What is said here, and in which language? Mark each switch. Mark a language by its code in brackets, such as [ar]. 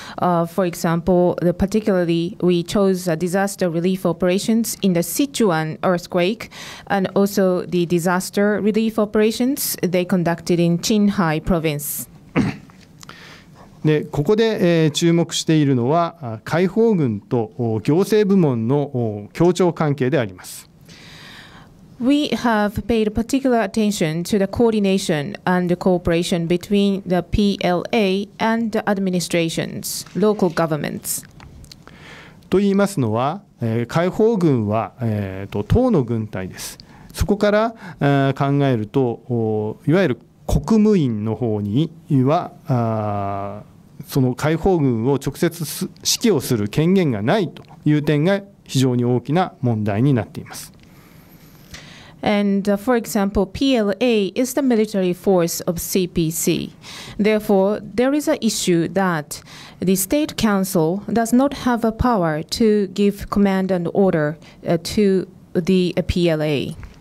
[en] For example, particularly we chose disaster relief operations in the Sichuan earthquake and also the disaster relief operations they conducted in Qinghai province. [ja] でここで注目しているのは解放軍と行政部門の協調関係であります。 [en] We have paid particular attention to the coordination and the cooperation between the PLA and the administrations, local governments. [ja] と言いますのは、解放軍は、党の軍隊です。そこから、考えると、いわゆる国務院の方には、その解放軍を直接指揮をする権限がないという点が非常に大きな問題になっています。 [en] And for example, PLA is the military force of CPC. Therefore, there is an issue that the State Council does not have a power to give command and order to the PLA.